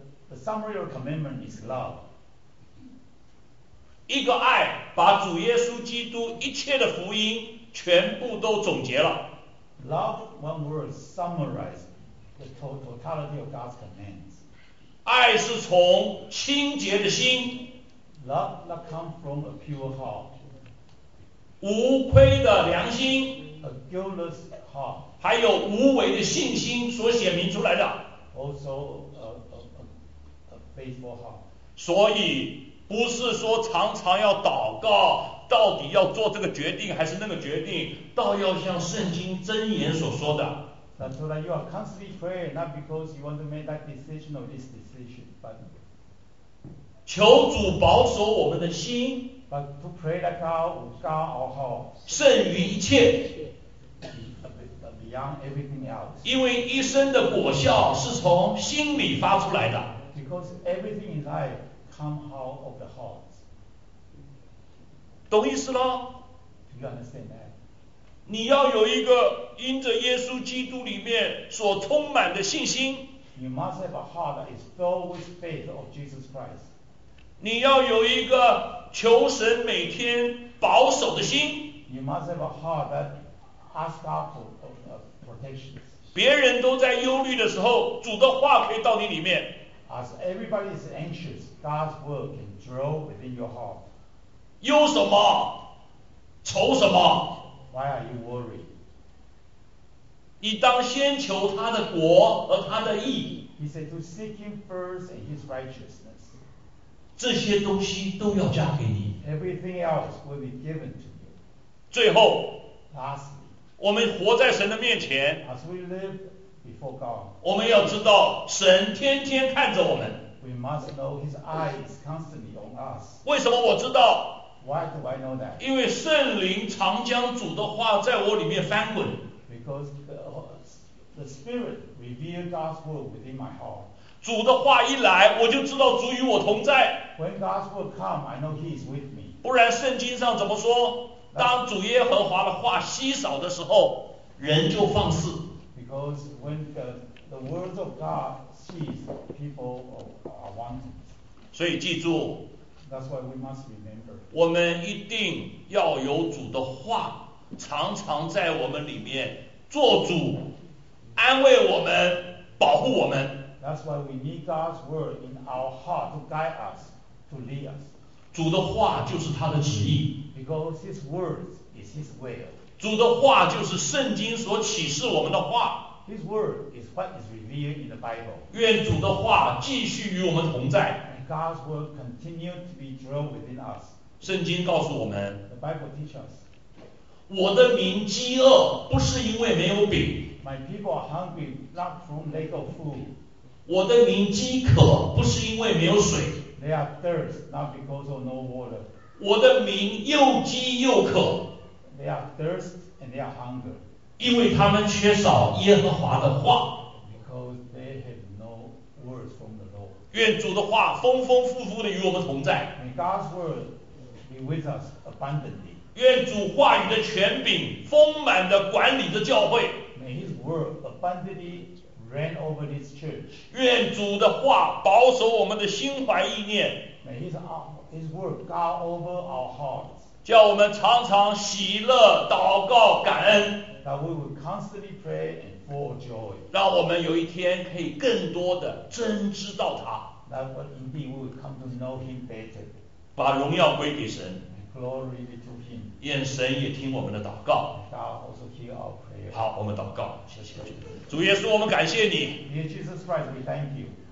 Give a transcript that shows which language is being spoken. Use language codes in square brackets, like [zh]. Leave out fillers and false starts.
[en] The summary of commandment is love. [zh] 一个爱把主耶稣基督一切的福音全部都总结了。 [en] Love one word summarize the totality of God's commands. [zh] 爱是从清洁的心。 [en] Love that comes from a pure heart. [zh] 无愧的良心。 [en] A guiltless heart. [zh] 还有无为的信心所显明出来的。 [en] Also a faithful heart. [zh] 所以不是说常常要祷告，到底要做这个决定还是那个决定，倒要像圣经箴言所说的。 [en] That's why you are constantly praying, not because you want to make that decision or this decision, but [zh] 求主保守我们的心 [en] ，but to pray that God will guard our heart [zh] 胜于一切 [en] ，beyond everything else。 [zh] 因为一生的果效是从心里发出来的。 [en] Because everything in life. Somehow of the heart. [zh] 懂意思了？ [en] Do you understand that? [zh] 你要有一个因着耶稣基督里面所充满的信心。 [en] You must have a heart that is filled with faith of Jesus Christ. [zh] 你要有一个求神每天保守的心。 [en] You must have a heart that asks God for protection. [zh] 别人都在忧虑的时候，主的话可以到你里面。 [en] As everybody is anxious, God's word can dwell within your heart. [zh] 忧什么？愁什么 [en] ？Why are you worried? [zh] 你当先求他的国和他的义。 [en] He said to seek him first and his righteousness. [zh] 这些东西都要加给你。 [en] Everything else will be given to you. [zh] 最后 [en] ，Lastly， [zh] 我们活在神的面前。 [en] As we live. Before God. [zh] 我们要知道神天天看着我们。 [en] We must know His eye is constantly on us. [zh] 为什么我知道 [en] ？Why do I know that? [zh] 因为圣灵常将主的话在我里面翻滚。 [en] Because the Spirit revealed God's word within my heart. [zh] 主的话一来，我就知道主与我同在。 [en] When God's word comes, I know He is with me. [zh] 不然圣经上怎么说？当主耶和华的话稀少的时候，人就放肆。 [en] Because when the words of God cease, people are wanting. [zh] 所以记住。 [en] That's why we must remember. [zh] 我们一定要有主的话常常在我们里面做主，安慰我们，保护我们。 [en] That's why we need God's word in our heart to guide us, to lead us. [zh] 主的话就是他的旨意。 [en] Because His word is His will. [zh] 主的话就是圣经所启示我们的话。 [en] His word is what is revealed in the Bible. [zh] 愿主的话继续与我们同在。 [en] And God's word continue to be drawn within us. [zh] 圣经告诉我们。 [en] The Bible teaches us. [zh] 我的民饥饿不是因为没有饼。 [en] My people are hungry not from lack of food. [zh] 我的民饥渴不是因为没有水。 [en] They are thirst not because of no water. [zh] 我的民又饥又渴。 [en] They are thirst and they are hungry. [zh] 因为他们缺少耶和华的话。 [en] Because they have no words from the Lord. [zh] 愿主的话丰丰富富的与我们同在。 [en] May God's word be with us abundantly. [zh] 愿主话语的权柄丰满的管理着教会。 [en] May His word abundantly reign over this church. [zh] 愿主的话保守我们的心怀意念。 [en] May His word guard over our hearts. [zh] 叫我们常常喜乐、祷告、感恩。 [en] That we will constantly pray and full of joy. [zh] 让我们有一天可以更多的真知道他。 [en] That we indeed will come to know Him better. [zh] 把荣耀归给神。 [en] Glory be to Him. [zh] 愿神也听我们的祷告。 [en] God also hear our prayer. [zh] 好，我们祷告，谢谢主。主耶稣，我们感谢你。 [en] Dear Jesus Christ, we thank you.